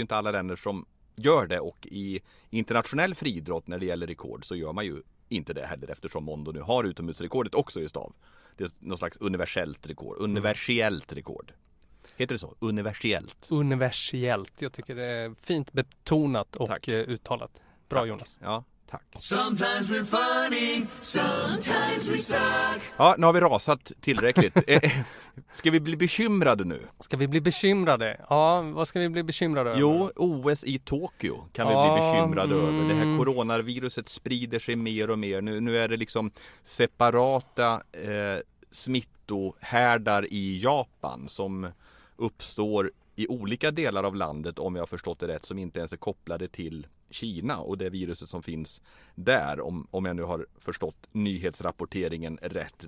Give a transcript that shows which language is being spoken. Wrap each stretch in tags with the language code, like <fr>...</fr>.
<sv>Det är ju inte alla länder som gör det. Och i internationell friidrott när det gäller rekord så gör man ju inte det heller. Eftersom Mondo nu har utomhusrekordet också i stav. Det är någon slags universellt rekord. Universellt rekord. Heter det så? Universellt. Universellt. Jag tycker det är fint betonat och tack. Uttalat. Bra, tack. Jonas. Ja, tack.</sv> <en>Sometimes we're funny, sometimes we suck.</en> <sv>Ja, nu har vi rasat tillräckligt. Ska vi bli bekymrade nu? Ska vi bli bekymrade? Ja, vad ska vi bli bekymrade över? Jo, OS i Tokyo kan vi bli bekymrade över. Det här coronaviruset sprider sig mer och mer. Nu är det liksom separata smittohärdar i Japan som uppstår i olika delar av landet, om jag har förstått det rätt, som inte ens är kopplade till Kina och det viruset som finns där, om jag nu har förstått nyhetsrapporteringen rätt.</sv>